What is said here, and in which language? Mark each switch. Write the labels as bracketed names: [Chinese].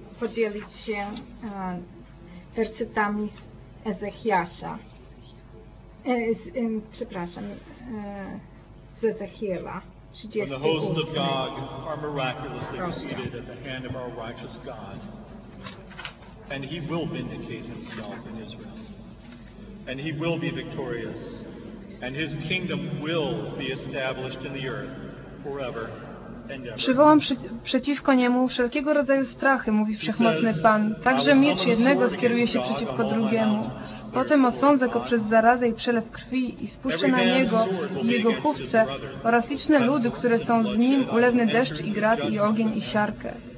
[Polish] podzielić się wersetami z Ezechiasza. [English] When the hosts of God are miraculously defeated at the hand of our righteous God, and he will vindicate himself in Israel, and he will be victorious, and his kingdom will be established in the earth forever and ever. [Polish] Przywołam przeciwko niemu wszelkiego rodzaju strachy, mówi Wszechmocny Pan, także miecz jednego skieruje się przeciwko drugiemu. Potem osądzę go przez zarazę i przelew krwi i spuszczę na niego i jego chówce oraz liczne ludy, które są z nim, ulewny deszcz i grad i ogień i siarkę.